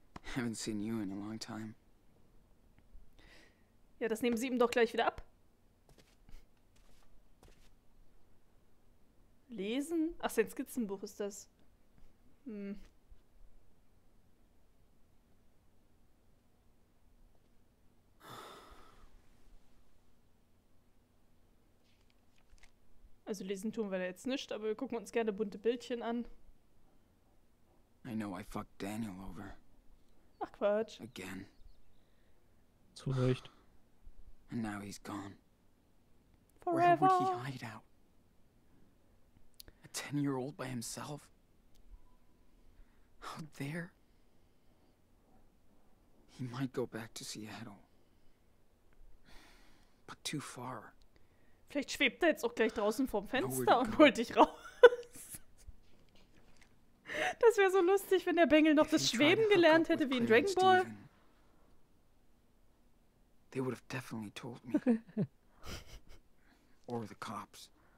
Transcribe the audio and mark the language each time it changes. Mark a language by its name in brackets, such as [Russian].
[English] I haven't seen you in a long time. [German] Ja, das nehmen sie ihm doch gleich wieder ab. Lesen? Ach, sein Skizzenbuch ist das. Hm. Also lesen tun wir da jetzt nicht, aber wir gucken uns gerne bunte Bildchen an. [English] I know I fucked Daniel over. [German] Ach Quatsch. [English] Again. [German] Zu Recht. [English] And now he's gone. Forever. Where would he hide out? A 10-year-old by himself? Out there? He might go back to Seattle. But too far. [German] Vielleicht schwebt er jetzt auch gleich draußen vorm Fenster und holt dich raus. Das wäre so lustig, wenn der Bengel noch das Schweben gelernt hätte wie in Dragon Ball. [English] They would have definitely told me. Or the cops.